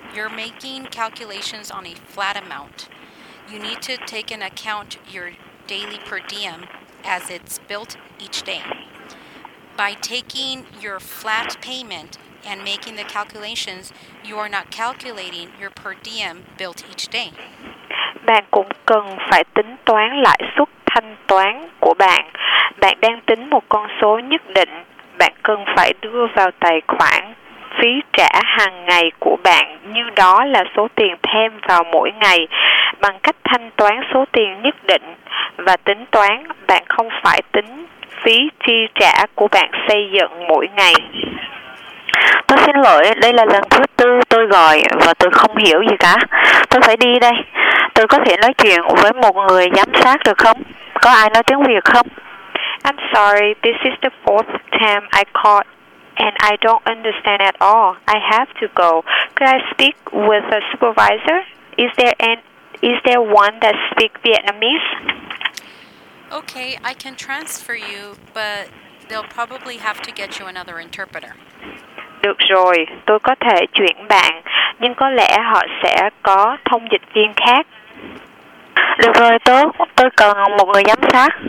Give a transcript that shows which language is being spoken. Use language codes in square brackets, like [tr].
[en] You're making calculations on a flat amount. You need to take into account your daily per diem as it's built each day. By taking your flat payment and making the calculations, you are not calculating your per diem built each day. [vi] bạn cũng cần phải tính toán lãi suất thanh toán của bạn. Bạn đang tính một con số nhất định, bạn cần phải đưa vào tài khoản phí trả hàng ngày của bạn như đó là số tiền thêm vào mỗi ngày, bằng cách thanh toán số tiền nhất định và tính toán bạn không phải tính phí chi trả của bạn xây dựng mỗi ngày. Tôi xin lỗi, đây là lần thứ tư tôi gọi và tôi không hiểu gì cả. Tôi phải đi đây. Tôi có thể nói chuyện với một người giám sát được không? Có ai nói tiếng Việt không? [en] I'm sorry, this is the fourth time I called and I don't understand at all. I have to go. Could I speak with a supervisor? Is there one that speaks Vietnamese? Okay, I can transfer you, but they'll probably have to get you another interpreter. [vi] Được rồi, tôi có thể chuyển bạn, nhưng có lẽ họ sẽ có thông dịch viên khác. Được rồi, tôi cần một người giám sát.